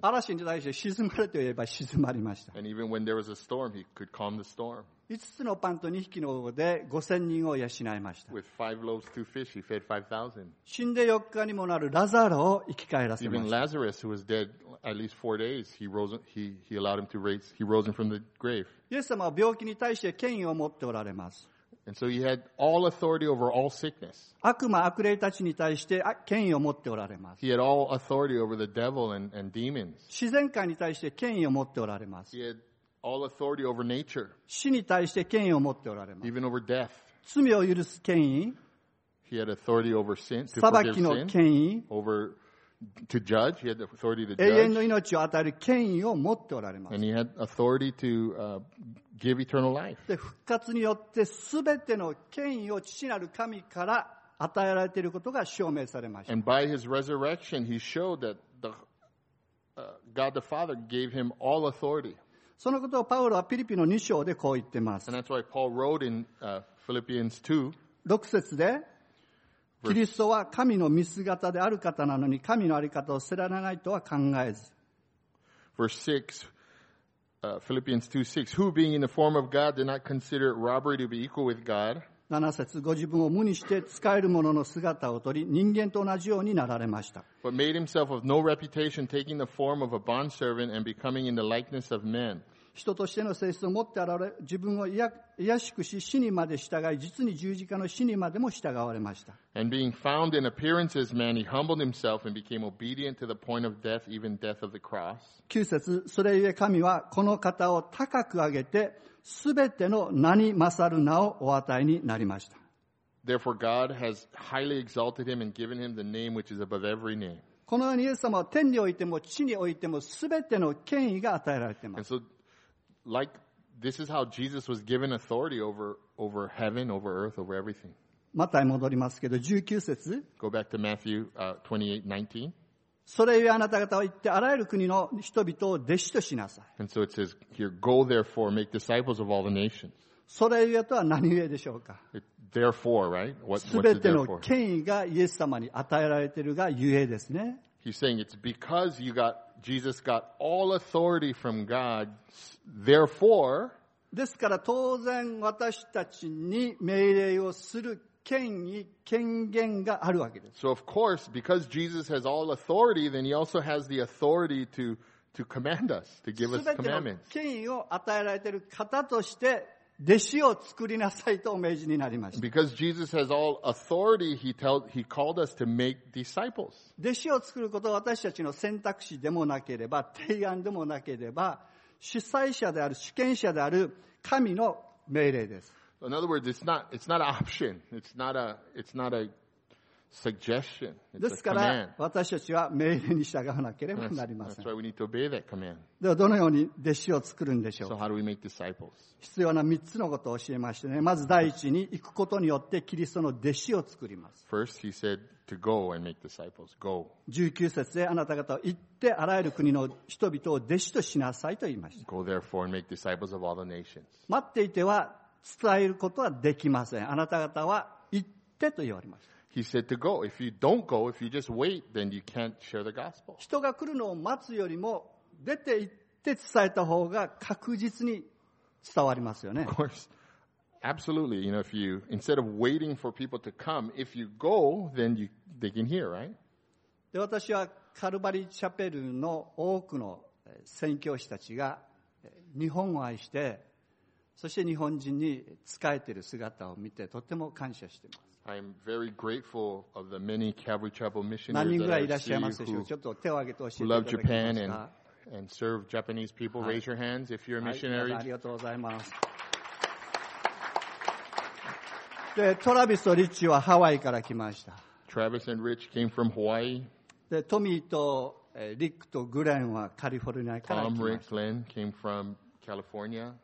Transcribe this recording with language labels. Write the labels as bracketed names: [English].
[Japanese] 嵐に対して沈まれと言えば沈まりました。 [English] And even when there was a storm, he could calm the storm. [Japanese] 5つのパンと2匹の魚で5000人を養いました。 [English] With 5 loaves, 2 fish, he fed 5,000. [Japanese] 死んで4日にもなるラザロを生き返らせました。 [English] Even Lazarus, who was dead at least 4 days, he allowed him to raise, he rose him from the grave. [Japanese] イエス様は病気に対して権威を持っておられます。 [English] And so he had all authority over all sickness. [Japanese] 悪魔、悪霊たちに対して権威を持っておられます。 [English] He had all authority over the devil and demons. [Japanese] 自然界に対して権威を持っておられます。 [English] He had all authority over nature. [Japanese] 死に対して権威を持っておられます。 [English] Even over death. [Japanese] 罪を許す権威。 [English] He had authority over sin. [Japanese] 裁きの権威。 [English] Over to judge. He had authority to judge. [Japanese] 永遠の命を与える権威を持っておられます。 [English] And he had authority to, give eternal life. [Japanese] で、復活によってすべての権威を父なる神から与えられていることが証明されました。 [English] And by his resurrection, he showed that God the Father gave him all authority. [Japanese] そのことをパウロはフィリピの2章でこう言ってます。 [English] And that's why Paul wrote in Philippians 2. [Japanese] 6節で、キリストは神の見姿である方なのに神のあり方を知らないとは考えず。 [English] Verse 6. Philippians 2:6, who being in the form of God did not consider it robbery to be equal with God. [Japanese] 7節、ご自分を無にして使えるものの姿を取り、人間と同じようになられました。 [English] But made himself of no reputation, taking the form of a bondservant and becoming in the likeness of men. [Japanese] 人としての性質を持ってあられ、自分を卑しくし、死にまで従い、実に十字架の死にまでも従われました。 [English] And being found in appearance as man, he humbled himself and became obedient to the point of death, even death of the cross. [Japanese] 9節、それゆえ神はこの方を高く上げて、すべての名に勝る名をお与えになりました。 [English] Therefore, God has highly exalted him and given him the name which is above every name. [Japanese] このようにイエス様は天においても地においてもすべての権威が与えられています。 [English] And so, like, this is how Jesus was given authority over heaven, over earth, over everything. [Japanese] マタイ戻りますけど、19節。 [English] Go back to Matthew 28:19. [Japanese] それゆえあなた方は行ってあらゆる国の人々を弟子としなさい。 [English] And so it says here, go therefore, make disciples of all the nations. [Japanese] それゆえとは何ゆえでしょうか。 [English] Therefore, right? [Japanese] すべての権威がイエス様に与えられているがゆえですね。 [English] He's saying it's because you got Jesus got all authority from God. Therefore, [Japanese] ですから当然私たちに命令をする。権威、権限があるわけです。 [English] So of course, because Jesus has all authority, then he also has the authority to command us, to give us commandments. [Japanese] 権威を与えられている方として弟子を作りなさいとお命じになりました。 [English] Because Jesus has all authority, he called us to make disciples. [Japanese] 弟子を作ることは私たちの選択肢でもなければ、提案でもなければ、主催者である、主権者である神の命令です。 [English] In other words, it's not an option. It's not a suggestion. It's a command. [Japanese] ですから私たちは命令に従わなければなりません。 [English] That's why we need to obey that command. [Japanese] ではどのように弟子を作るんでしょうか。 [English] So how do we make disciples? [Japanese] 必要な3つのことを教えましてね。まず第一に行くことによってキリストの弟子を作ります。 [English] First, he said to go and make disciples. Go. [Japanese] 19節であなた方は行ってあらゆる国の人々を弟子としなさいと言いました。 [English] Go therefore and make disciples of all the nations. [Japanese] 待っていては伝えることはできません。あなた方は行ってと言われました。 [English] He said to go. If you don't go, if you just wait, then you can't share the gospel. [Japanese] 人が来るのを待つよりも出て行って伝えた方が確実に伝わりますよね。 [English] Of course, absolutely. You know, if you instead of waiting for people to come, if you go, then they can hear, right? [Japanese] で、私はカルバリーチャペルの多くの宣教師たちが日本を愛して。そして日本人に仕えている姿を見てとても感謝しています。 [English] I'm very grateful of the many Calvary Chapel missionaries. [Japanese] 何人ぐらいいらっしゃいますでしょう。ちょっと手を挙げて教えていただけますか。 [English] Love Japan and serve Japanese people. Raise your hands if you're a missionary. [Japanese] ありがとうございます。で、トラビスとリッチはハワイから来ました。 [English] Travis and Rich came from Hawaii. [Japanese] で、トミーとリックとグレンはカリフォルニアから来ました。 [English] Tom, Rick, Glenn came from California.